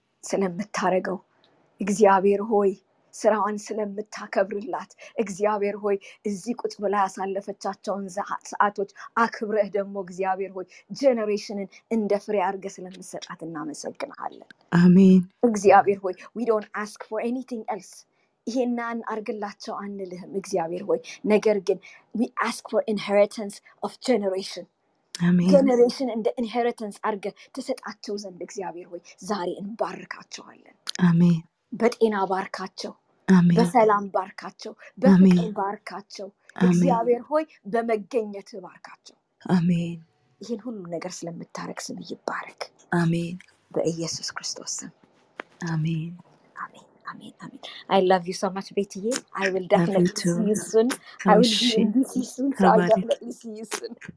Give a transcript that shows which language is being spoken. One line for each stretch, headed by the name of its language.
Amharic: ስለምታረጋው እግዚአብሔር ሆይ ስራዋን ስለምታከብርላት እግዚአብሔር ሆይ እዚ ቁጭ ብላ ያሳለፈቻቸውን ሰዓቶች አክብረህ ደግሞ እግዚአብሔር ሆይ ጄነሬሽንን እንደ ፍሬ አርገ ስለምትሰጣት እናመሰግናለን አሜን እግዚአብሔር ሆይ
English: we don't ask for anything else
Amharic: ይሄናን አርግላቸው አንልህም እግዚአብሔር ሆይ ነገር ግን
English: we ask for inheritance of generation
Amharic: አሜን
English: generation and the inheritance
Amharic: አርገ ተሰጣቸው ዘንድ እግዚአብሔር ሆይ ዛሬ እንባርካቸዋለን አሜን በጤና ባርካቸው አሜን በሰላም ባርካቸው በፍቅር ባርካቸው እግዚአብሔር ሆይ በመገኘት ባርካቸው አሜን ይሄን ሁሉ ነገር ስለምታረክ ስም ይባረክ አሜን በኢየሱስ ክርስቶስ ስም አሜን
English: አሜን I mean, I love you so much, Betty. I will definitely see you soon. I will definitely see you soon.